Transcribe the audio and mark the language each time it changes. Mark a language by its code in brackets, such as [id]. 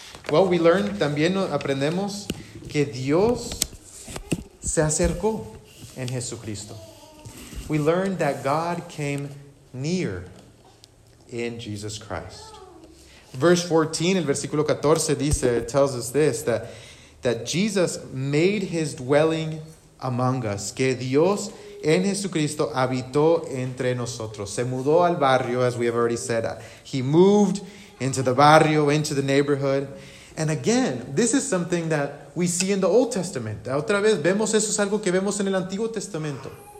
[en] Well, we learn, [es] también aprendemos que Dios se acercó en Jesucristo. [en] We learn that God came near in Jesus Christ. Verse 14, [es] el versículo 14 dice, [en] tells us this, that Jesus made his dwelling among us. [es] Que Dios en Jesucristo habitó entre nosotros. Se mudó al barrio, [en] as we have already said. He moved into the barrio, into the neighborhood. And again, this is something that we see in the Old Testament. [es] Otra vez, vemos eso, es algo que vemos en el Antiguo Testamento.